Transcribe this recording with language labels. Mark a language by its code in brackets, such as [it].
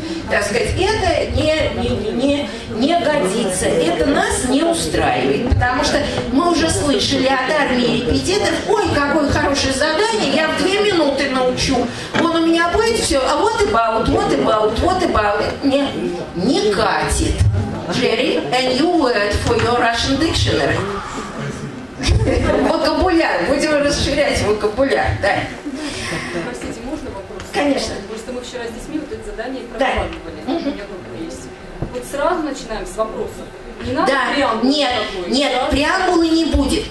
[ru] Так сказать, это не годится, это нас не устраивает, потому что мы уже слышали от армии репетиторов, ой, какое хорошее задание, я в 2 минуты научу, вон у меня будет все, а вот и баут, не катит. [en] Jerry, a new word for your Russian dictionary. [ru] Вокабуляр, будем расширять вокабуляр, да. Простите, можно вопрос? Конечно. Мы вчера с детьми вот это задание прорабатывали. Да. У меня группа есть. Вот сразу начинаем с вопроса. Не надо, да, преамбулы? Нет, преамбулы не будет.